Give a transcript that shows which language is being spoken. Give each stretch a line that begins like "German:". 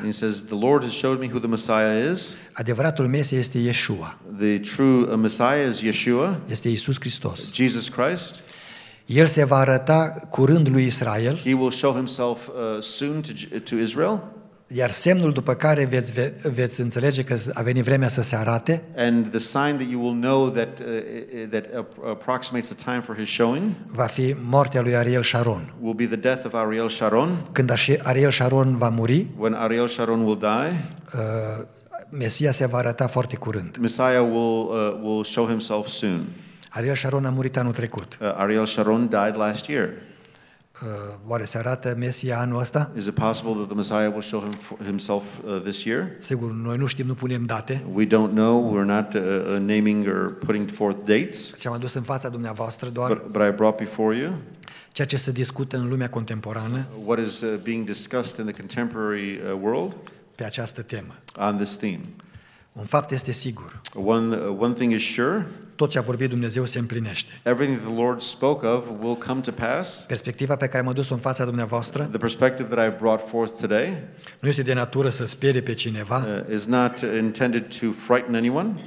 English: He says, the Lord has showed me who the Messiah is.
Romanian: Adevăratul Mesia este Yeshua.
English: The true Messiah is Yeshua.
Romanian: Este Iisus Hristos.
English: Jesus Christ.
Romanian: El se va arăta curând lui Israel.
English: He will show himself soon to Israel.
Romanian: Iar semnul după care veți înțelege că a venit vremea să se arate.
English: And the sign that you will know that that approximates the time for his showing.
Romanian: Va fi moartea lui Ariel Sharon.
English: Will be the death of Ariel Sharon.
Romanian: Când Ariel Sharon va muri.
English: When Ariel Sharon will die.
Romanian: Mesia se va arăta foarte curând.
English: Messiah will show himself soon.
Romanian: Ariel Sharon a murit anul trecut.
English: Ariel Sharon died last year.
Romanian: Oare se arată Mesia anul ăsta?
English: Is it possible that the Messiah will show himself this year?
Romanian: Sigur, noi nu știm, nu punem date.
English: We don't know, we're not naming or putting forth dates.
Romanian: Ce am adus în fața dumneavoastră doar.
English: But I brought before you.
Romanian: ceea ce se discută în lumea contemporană,
English: what is being discussed in the contemporary world,
Romanian: pe această temă.
English: On this theme.
Romanian: Un fapt este sigur.
English: One thing is sure.
Romanian: Tot ce a vorbit Dumnezeu se împlinește.
English: Everything that the Lord spoke of will come to pass.
Romanian: Perspectiva pe care am adus-o în fața dumneavoastră,
English: the perspective that I brought forth today,
Romanian: nu este de natură să sperie pe cineva,
English: is not intended to frighten anyone,